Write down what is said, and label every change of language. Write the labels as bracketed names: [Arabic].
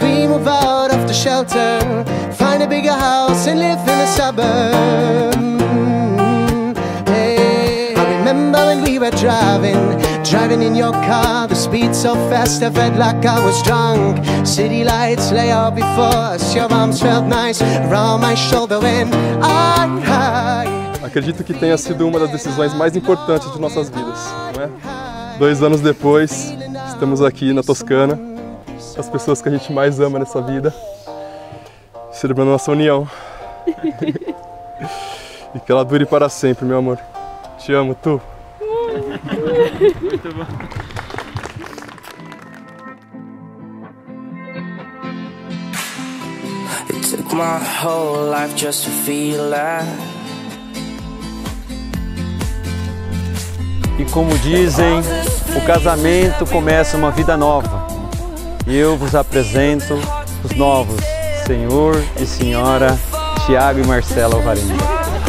[English] We move out of the shelter, find a bigger house and live in a suburb. Hey, I remember when we were driving, driving in your car, the speed so fast I felt like I was drunk. City lights lay out before us, your arms felt nice around my shoulder when I. [Portuguese] Acredito que tenha sido uma das decisões mais importantes de nossas vidas, não é? 2 anos depois, estamos aqui na Toscana, as pessoas que a gente mais ama nessa vida, celebrando nossa união. E que ela dure para sempre, meu amor. Te amo, tu. Muito bom. [English] It took my whole life just to feel that. [Portuguese] E como dizem, o casamento começa uma vida nova. E eu vos apresento os novos senhor e senhora Thiago e Marcela Firenze.